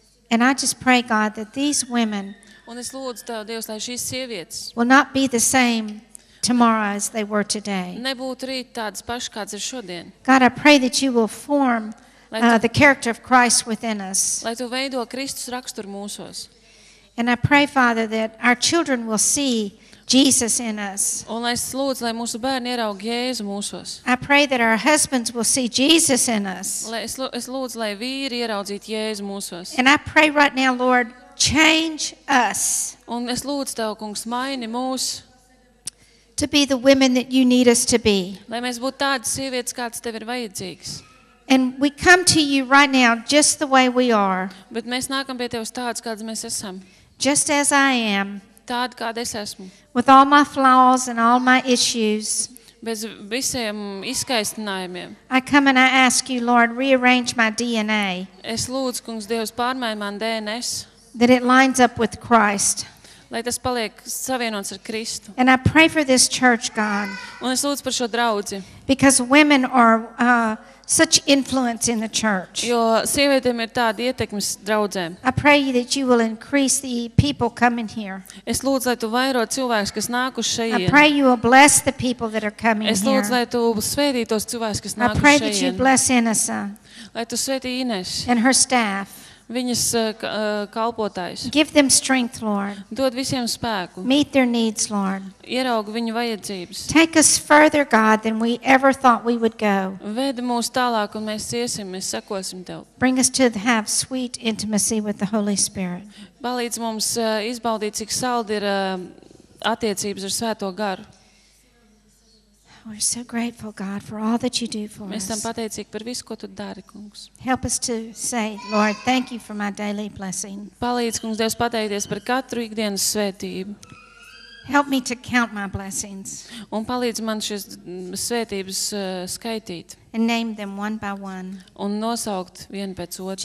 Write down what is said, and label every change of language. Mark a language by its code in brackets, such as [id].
[en] And I just pray, God, that these women [lv] Un es lūdzu tev, Dievs, lai šīs sievietes [en] will not be the same tomorrow as they were today. [lv] Nebūtu rīt tādas pašas, kādas ir šodien. [en] God, I pray that you will form the character of Christ within us. [lv] Lai tu veido Kristus raksturu mūsos. [en] And I pray, Father, that our children will see Jesus in us. [lv] Un es lūdzu, lai mūsu bērni ieraug Jēzu mūsos. [en] I pray that our husbands will see Jesus in us. [lv] Lai es lūdzu, lai vīri ieraudzītu Jēzu mūsos. [en] And I pray right now, Lord, change us. [lv] Un es lūdzu tev, Kungs, maini mūs. [en] To be the women that you need us to be. [lv] Lai mēs būtu tādas sievietes, kādas tev ir vajadzīgas. [en] And we come to you right now just the way we are. [lv] Bet mēs nākam pie tevis tādas, kādas mēs esam. [en] Just as I am. [lv] Tāda, kāda es esmu. [en] With all my flaws and all my issues. [lv] Bez visiem izskaistinājumiem. [en] I come and I ask you, Lord, rearrange my DNA. [lv] Es lūdzu, Kungs, Dievs, pārmaiņ man DNS. [en] That it lines up with Christ. [lv] Lai tas paliek savienots ar Kristu. [en] And I pray for this church, God. [lv] Un es lūdzu par šo draudzi. [en] Because women are such influence in the church. [lv] Jo sievietēm ir tāda ietekmes draudzē. [en] I pray that you will increase the people coming here. [lv] Es lūdzu, lai tu vairo cilvēkus, kas nāk uz šejien. [en] I pray you will bless the people that are coming here. [lv] Es lūdzu, lai tu svētī tos cilvēkus, kas nāk uz šejien. [en] I pray that you bless Inesa. [lv] Lai tu svētī Inesu. [en] And her staff. [lv] Viņas kalpotājus. [en] Give them strength, Lord. [lv] Dod visiem spēku. [en] Meet their needs, Lord. [lv] Ieraugu viņu vajadzības. [en] Take us further, God, than we ever thought we would go. [lv] Ved mūs tālāk, un mēs iesim, mēs sekosim Tev. [en] Bring us to have sweet intimacy with the Holy Spirit. [lv] Palīdz mums izbaudīt, cik saldi ir attiecības ar Svēto Garu. [en] We're so grateful, God, for all that you do for us. [lv] Mēs tam pateicīgi par visu, ko tu dari, kungs. [en] Help us to say, Lord, thank you for my daily blessing. [lv] Palīdz, kungs, Dievs, pateikties par katru ikdienas svētību. [en] Help me to count my blessings. [lv] Un palīdz man šīs svētības skaitīt. [en] And name them one by one. [lv] Un nosaukt vienu pēc otras.